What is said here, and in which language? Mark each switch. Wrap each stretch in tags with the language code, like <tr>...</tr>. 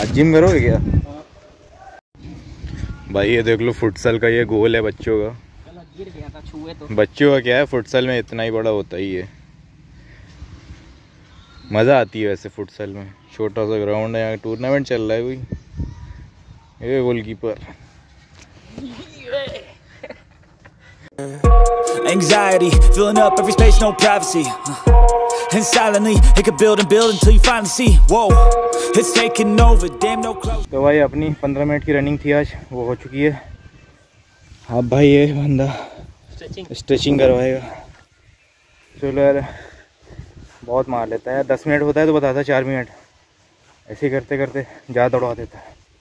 <hi>आज जिम में रहोगे क्या भाई? ये देख लो फुटसल का ये गोल है बच्चों का, गिर गया था छुए तो। बच्चों का क्या है, फुटसल में इतना ही बड़ा होता ही है। मज़ा आती है वैसे फुटसल में, छोटा सा ग्राउंड है, यहाँ टूर्नामेंट चल रहा है कोई।</hi> <en>A goalkeeper anxiety filling up every space no privacy and silently it could build and build until you finally see whoa it's taking over damn no clothes।</en> <hi>तो भाई अपनी 15 मिनट की रनिंग थी आज, वो हो चुकी है। अब भाई ये बंदा स्ट्रेचिंग करवाएगा। चलो यार बहुत मार लेता है, 10 मिनट होता है तो बताता 4 मिनट, ऐसे करते करते ज़्यादा दौड़वा देता है।</hi>